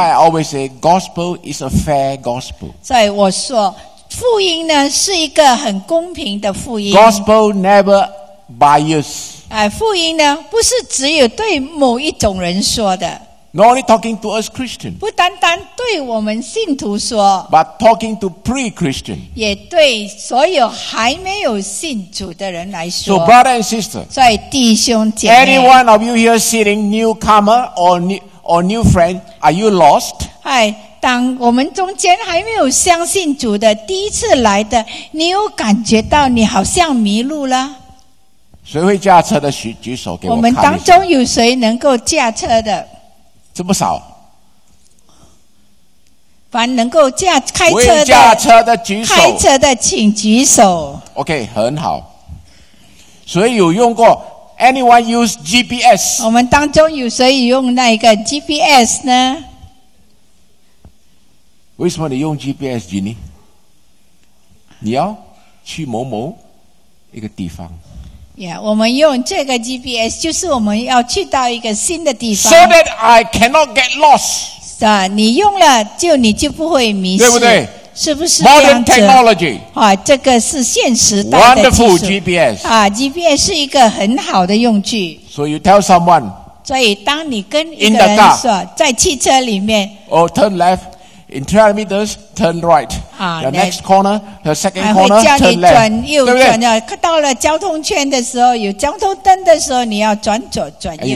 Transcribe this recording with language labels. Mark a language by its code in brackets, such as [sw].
[en] That's why I always say gospel is a fair gospel. [zh] 所以我说，福音呢是一个很公平的福音。 [en] Gospel never bias. [zh] 福音呢不是只有对某一种人说的。 [en] Not only talking to us Christians. [zh] 不单单对我们信徒说。 [en] But talking to pre-Christian. [zh] 也对所有还没有信主的人来说。 [en] So brother and sister. [zh] 所以弟兄姐妹。 [en] Any one of you here sitting newcomer or new friend, are you lost? [zh] 当我们中间还没有相信主的第一次来的，你有感觉到你好像迷路了？谁会驾车的举手给我看。我们当中有谁能够驾车的？这么少，凡能够开车的，会驾车的举手，开车的请举手。 [en] OK， [zh] 很好。所以有用过 ？ [en] Anyone use GPS？ [zh] 我们当中有谁用那个 GPS 呢？为什么你用 GPS， 吉尼？你要去某某一个地方。 Yeah, 我们用这个 GPS 就是我们要去到一个新的地方。 [en] So that I cannot get lost. [zh] 是啊，你用了就你就不会迷失，对不对？是不是 [en] ？Modern technology. [zh] 啊，这个是现时代的技术。 [en] Wonderful GPS. [zh] 啊 ，GPS 是一个很好的用具。 [en] So you tell someone. [zh] 所以当你跟一个人说在汽车里面。 [en] Oh, turn left. In 300 meters, turn right. The next corner, the second corner, turn left. [zh] 还会叫你转右转的。到了交通圈的时候，有交通灯的时候，你要转左转右。